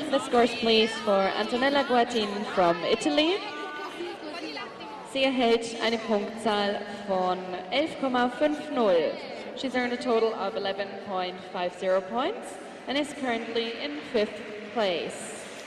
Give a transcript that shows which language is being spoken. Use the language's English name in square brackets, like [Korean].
[English] The scores, please, for Antonella Guattin from Italy. [German] Sie erhält eine Punktzahl von 11,50. [English] She's earned a total of 11.50 points and is currently in fifth place.